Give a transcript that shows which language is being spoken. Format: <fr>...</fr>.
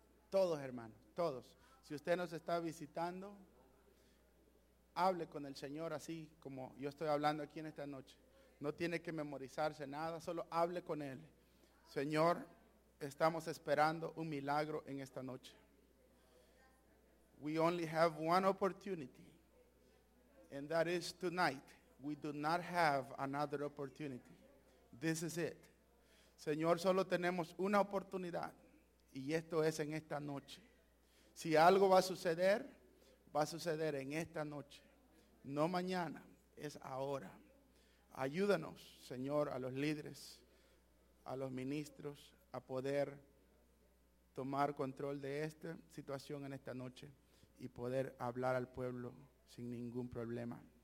<es>Todos, hermanos, todos. Si usted nos está visitando, hable con el Señor así como yo estoy hablando aquí en esta noche. No tiene que memorizarse nada, solo hable con Él. Señor, estamos esperando un milagro en esta noche.</es> <en>We only have one opportunity, and that is tonight. We do not have another opportunity. This is it.</en> <es>Señor, solo tenemos una oportunidad, y esto es en esta noche. Si algo va a suceder en esta noche. No mañana, es ahora. Ayúdanos, Señor, a los líderes, a los ministros, a poder tomar control de esta situación en esta noche y poder hablar al pueblo sin ningún problema.</es>